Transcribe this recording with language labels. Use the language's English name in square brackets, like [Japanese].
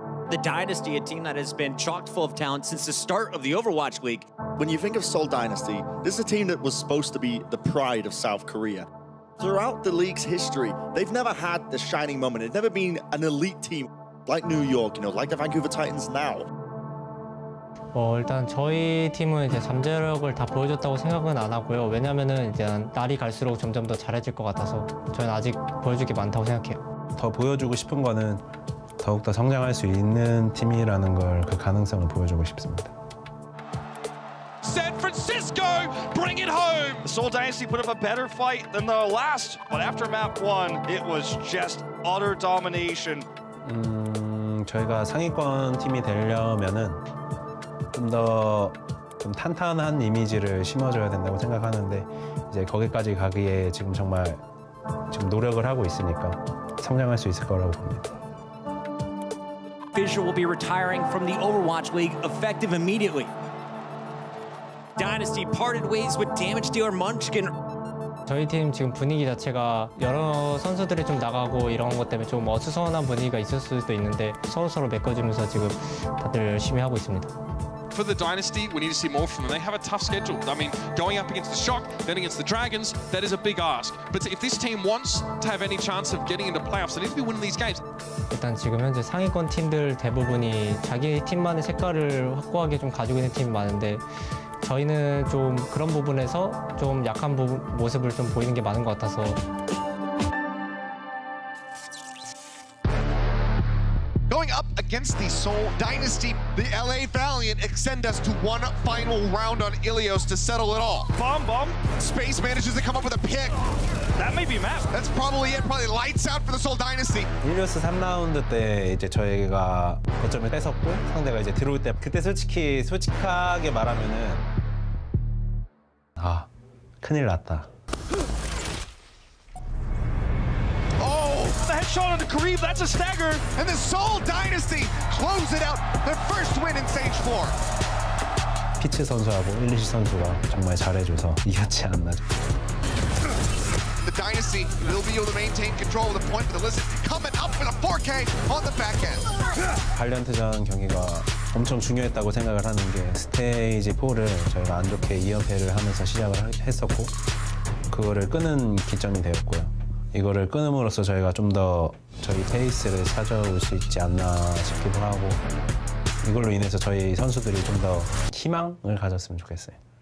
[English] the Dynasty, a team that has been chock full of talent since the start of the Overwatch League. When you think of Seoul Dynasty, this is a team that was supposed to be the pride of South Korea. Throughout the league's history, they've never had the shining moment. It's never been an elite team like New York, you know, like the Vancouver Titans now. [Korean] 뭐 일단 저희 팀은 이제 잠재력을 다 보여줬다고 생각은 안 하고요. 왜냐면은 이제 날이 갈수록 점점 더 잘해질 것 같아서 저는 아직 보여줄 게 많다고 생각해요. 더 보여주고 싶은 거는 더욱더 성장할 수 있는 팀이라는 걸 그 가능성을 보여주고 싶습니다. [English] San Francisco, bring it home! The Seoul Dynasty put up a better fight than the last, but after map one, it was just utter domination. [Korean] 저희가 상위권 팀이 되려면은 좀 탄탄한 이미지를 심어줘야 된다고 생각하는데 이제 거기까지 가기에 지금 정말 지금 노력을 하고 있으니까 성장할 수 있을 거라고 봅니다. [English] Fisher will be retiring from the Overwatch League effective immediately. Dynasty parted ways with damage dealer Munchkin. [Korean] 저희 팀 지금 분위기 자체가 여러 선수들이 좀 나가고 이런 것 때문에 좀 어수선한 분위기가 있을 수도 있는데 서로서로 메꿔주면서 지금 다들 열심히 하고 있습니다. [English] For the Dynasty, we need to see more from them. They have a tough schedule. I mean, going up against the Shock, then against the Dragons, that is a big ask. But if this team wants to have any chance of getting into playoffs, they need to be winning these games. [Korean] 일단 지금 현재 상위권 팀들 대부분이 자기 팀만의 색깔을 확고하게 좀 가지고 있는 팀이 많은데 저희는 좀 그런 부분에서 좀 약한 모습을 좀 보이는 게 많은 것 같아서. [English] Against the Seoul Dynasty, the LA Valiant extend us to one final round on Ilios to settle it all. Bomb, bomb. Space manages to come up with a pick. That may be a map. That's probably it. Probably lights out for the Seoul Dynasty. [Korean] Ilios 3라운드 때 이제 저희가 거점을 뺏었고 상대가 이제 들어올 때 그때 솔직하게 말하면은 아 큰일 났다. [English] Shot on the Kareem, that's a stagger. And the Seoul Dynasty close it out. Their first win in stage 4. [Korean] Peach 선수하고 일리시 선수가 정말 잘해줘서 이겼지 않나. [English] The Dynasty will be able to maintain control of the point for the Lizard coming up with a 4K on the back end. [Korean] Valiant전 경기가 엄청 중요했다고 생각을 하는 게 스테이지 4를 저희가 안 좋게 2연패를 하면서 시작을 했었고 그거를 끄는 기점이 되었고요. 이거를 끊음으로써 저희가 좀 더 저희 페이스를 찾아올 수 있지 않나 싶기도 하고 이걸로 인해서 저희 선수들이 좀 더 희망을 가졌으면 좋겠어요.